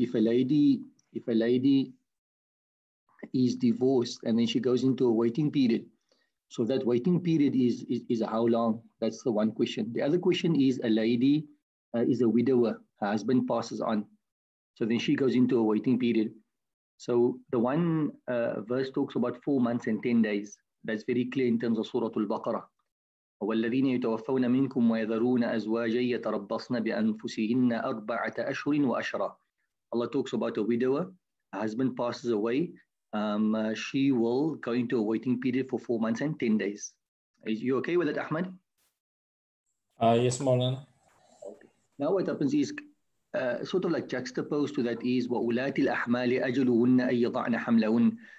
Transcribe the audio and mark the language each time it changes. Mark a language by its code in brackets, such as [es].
[en] If a lady is divorced and then she goes into a waiting period, so that waiting period is how long? That's the one question. The other question is, a lady is a widower, her husband passes on, so then she goes into a waiting period. So the one verse talks about 4 months and 10 days. That's very clear in terms of Surah Al-Baqarah. [ar] والذين يتوفون منكم ويذرون أزواجا يتربصن بأنفسهن أربعة أشهر وأشرا. [en] Allah talks about a widower, a husband passes away, she will go into a waiting period for 4 months and 10 days. Is you okay with that, Ahmed? Yes, Maulana. Okay. Now what happens is sort of like juxtaposed to that is [ar] وأولات الأحمال أجلهن أن يضعن حملهن.